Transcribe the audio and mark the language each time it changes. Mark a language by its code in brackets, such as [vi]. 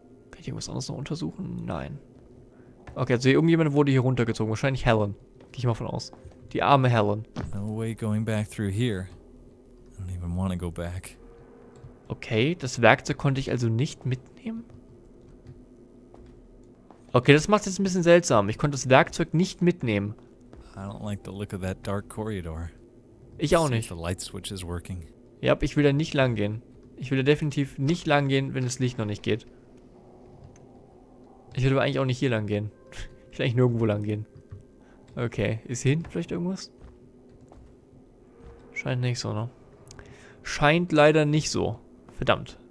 [de] Kann ich irgendwas anderes noch untersuchen? Nein. Okay, also irgendjemand wurde hier runtergezogen. Wahrscheinlich Helen. Gehe ich mal von aus. Die arme Helen. [en] No way going back through here. I don't even want to go back. [de] Okay, das Werkzeug konnte ich also nicht mitnehmen? Okay, das macht es jetzt ein bisschen seltsam. Ich konnte das Werkzeug nicht mitnehmen. [en] I don't like the look of that dark corridor. [de] Ich auch nicht. [en] The light switch is working. [de] Ja, ich will da nicht lang gehen. Ich will da definitiv nicht lang gehen, wenn das Licht noch nicht geht. Ich würde aber eigentlich auch nicht hier lang gehen. Ich will eigentlich nirgendwo lang gehen. Okay, ist hier hinten vielleicht irgendwas? Scheint nicht so, ne? Scheint leider nicht so. Verdammt.